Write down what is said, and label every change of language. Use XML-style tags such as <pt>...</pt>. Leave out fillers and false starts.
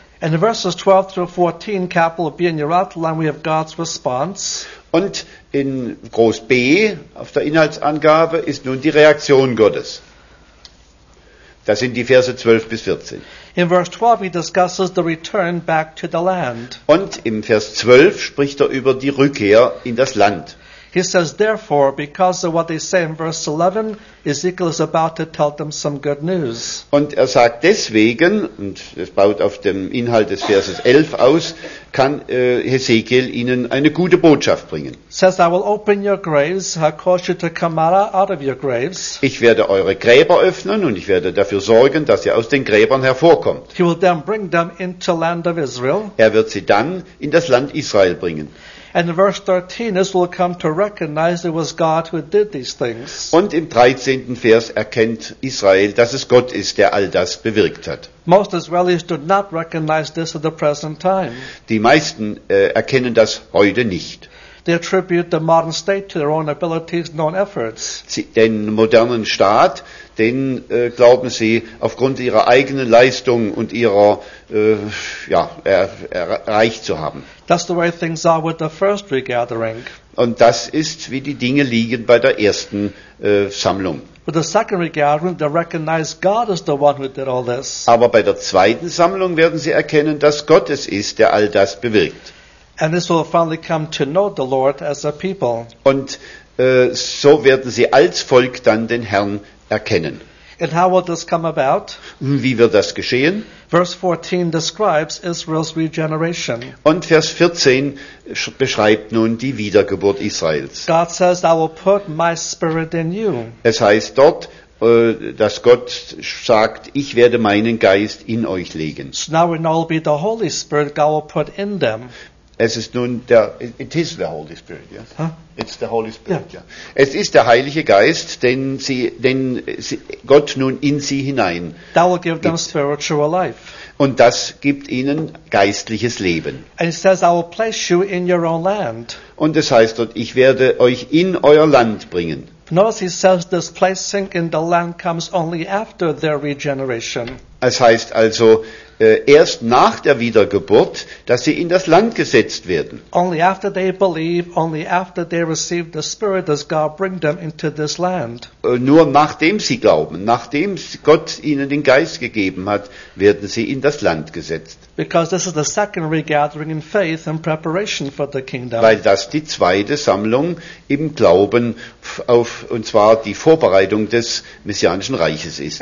<en>In verses 12 through 14, capital B in your outline, we have God's response.</en> <de>Und in Groß B auf der Inhaltsangabe ist nun die Reaktion Gottes. Das sind die Verse 12 bis 14.</de> <en>In verse 12 he discusses the return back to the land.</en> <de>Und im Vers 12 spricht er über die Rückkehr in das Land.</de> <en>He says, therefore, because of what they say in verse 11, Ezekiel is about to tell them some good news.</en> <de>Und er sagt deswegen, und es baut auf dem Inhalt des Verses 11 aus, kann Ezekiel ihnen eine gute Botschaft bringen.</de> <en>Says, I will open your graves, I cause you to come out of your graves.</en> <de>Ich werde eure Gräber öffnen und ich werde dafür sorgen, dass ihr aus den Gräbern hervorkommt.</de> <en>He will then bring them into land of Israel.</en> <de>Er wird sie dann in das Land Israel bringen.</de> <en>And in verse 13, Israel come to recognize it was God who did these things.</en> <de>Und im 13. Vers erkennt Israel, dass es Gott ist, der all das bewirkt hat.</de> <en>Most Israelis do not recognize this at the present time.</en> <de>Die meisten erkennen das heute nicht.</de> <en>They attribute the modern state to their own abilities and own efforts.</en> <de>Den modernen Staat, den glauben sie aufgrund ihrer eigenen Leistung und ihrer erreicht zu haben.</de> <en>That's the way things are with the first regathering.</en> <de>Und das ist, wie die Dinge liegen bei der ersten Sammlung.</de> <en>With the second regathering, they recognize God is the one who did all this.</en> <de>Aber bei der zweiten Sammlung werden sie erkennen, dass Gott es ist, der all das bewirkt.</de> <en>And this will finally come to know the Lord as a people.</en> <de>Und so werden sie als Volk dann den Herrn erkennen.</de> <en>And how will this come about?</en> <de>Wie wird das geschehen?</de> <en>Verse 14 describes Israel's regeneration.</en> <de>Und Vers 14 beschreibt nun die Wiedergeburt Israels.</de> <en>God says, I will put my spirit in you.</en> <de>Es heißt dort, dass Gott sagt, ich werde meinen Geist in euch legen.</de> <en>So now it will be the Holy Spirit God will put in them.</en> <de>Es ist nun der,</de> <en>it is the Holy Spirit, yes? Huh? It's the Holy Spirit, yeah.</en> <de>Es ist der Heilige Geist, den Gott nun in sie hinein.</de> <en>That will give them spiritual life.</en> <de>Und das gibt ihnen geistliches Leben.</de> <en>And it says, I will place you in your own land.</en> <de>Und es heißt dort, ich werde euch in euer Land bringen.</de> <en>Notice he says this placing in the land comes only after their regeneration.</en> <de>Es heißt also, erst nach der Wiedergeburt, dass sie in das Land gesetzt werden.</de> <en>Only after they believe, only after they receive the Spirit does God bring them into this land.</en> <de>Nur nachdem sie glauben, nachdem Gott ihnen den Geist gegeben hat, werden sie in das Land gesetzt.</de> <en>Because this is the second regathering in faith and preparation for the kingdom.</en> <de>Weil das die zweite Sammlung im Glauben auf, und zwar die Vorbereitung des Messianischen Reiches ist.</de>